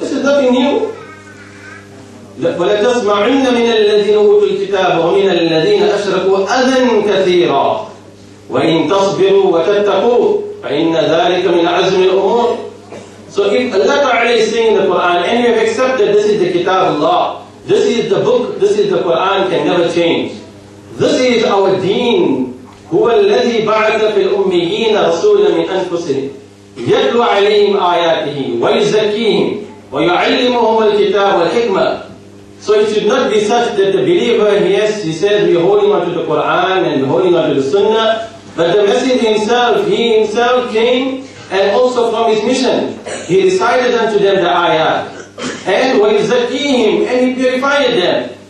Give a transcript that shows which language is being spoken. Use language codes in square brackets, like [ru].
[en] This is nothing new. [ar] وَلَتَسْمَعُنَّ مِنَ الَّذِينَ أُوتُوا الْكِتَابَ وَمِنَ الَّذِينَ أَشْرَكُوا أَذًا كَثِيرًا وَإِنْ تَصْبِرُوا وَتَتَّقُوا فَإِنَّ ذَلِكَ مِنْ عَزْمِ الْأُمُورِ. [en] So if Allah Ta'ala is saying the Quran, and you have accepted this is the Kitab of Allah, this is the book, this is the Quran, can never change. This is our deen. [ar] هو الذي بعث في الأميين رسولا من أنفسهم يتلو عليهم آياته ويزكيهم ويعلمهم الكتاب والحكمة. [en] So it should not be such that the believer, yes, he says we're holding on to the Quran and holding on to the Sunnah, but the Messenger himself, he himself came and also from his mission, he recited unto them the ayat and [ar] ويزكيهم [en] and he purified them.